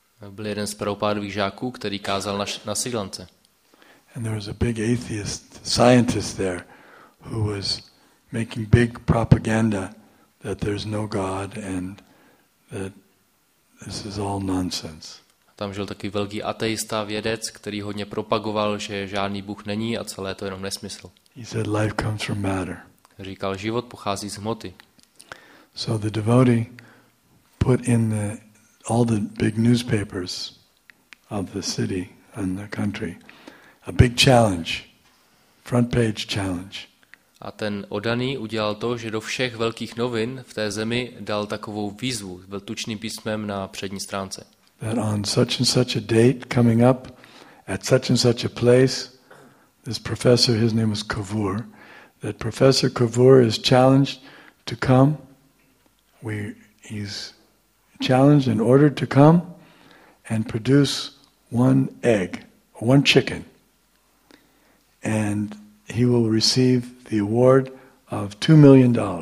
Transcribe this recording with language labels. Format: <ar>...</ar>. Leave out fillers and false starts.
<cs>Byl jeden z Prabhupádových žáků, který kázal na Sri Lance.</cs> <en>And there was a big atheist scientist there who was making big propaganda that there's no God and that this is all nonsense.</en> <cs>Tam žil taky velký ateista, vědec, který hodně propagoval, že žádný Bůh není a celé to je jenom nesmysl.</cs> <en>He said life comes from matter.</en> <cs>Říkal, život pochází z hmoty.</cs> <en>So the devotee put in all the big newspapers of the city and the country a big challenge, front page challenge.</en> <cs>A ten oddaný udělal to, že do všech velkých novin v té zemi dal takovou výzvu, byl tučným písmem na přední stránce.</cs> <en>That on such and such a date coming up at such and such a place, this professor, his name was Kavur, that Professor Kavur is challenged to come. He's challenged and ordered to come and produce one egg, one chicken, and he will receive the award of $2 million.</en>